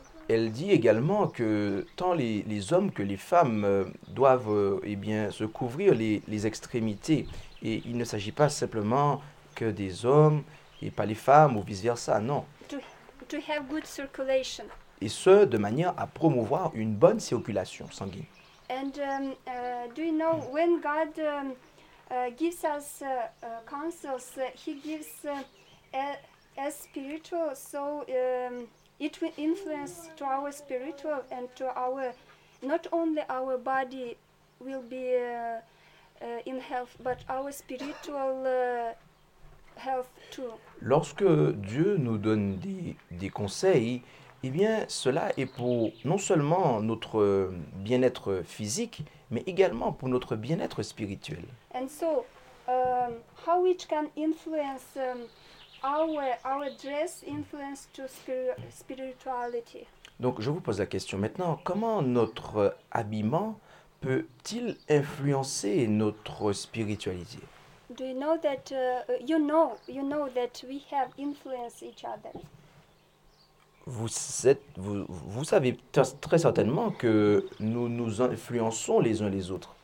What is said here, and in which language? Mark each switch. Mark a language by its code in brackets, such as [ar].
[fr] Elle dit également que tant les hommes que les femmes doivent eh bien, se couvrir les extrémités. Et il ne s'agit pas simplement que des hommes et pas les femmes ou vice-versa, non. [en] To have good circulation. [fr] Et ce, de manière à promouvoir une bonne circulation sanguine. [en] And do you know when God gives us counsels, he gives as spiritual, so it will influence to our spiritual and to our, not only our body will be in health, but our spiritual health too. [fr] Lorsque Dieu nous donne des conseils, eh bien, cela est pour non seulement notre bien-être physique, mais également pour notre bien-être spirituel. [en] And so, how it can influence our dress influence to spirituality. [fr] Donc, je vous pose la question maintenant, comment notre habillement peut-il influencer notre spiritualité? [en] Do you know that you know that we have influence each other? [fr] Vous savez très certainement que nous influençons les uns les autres.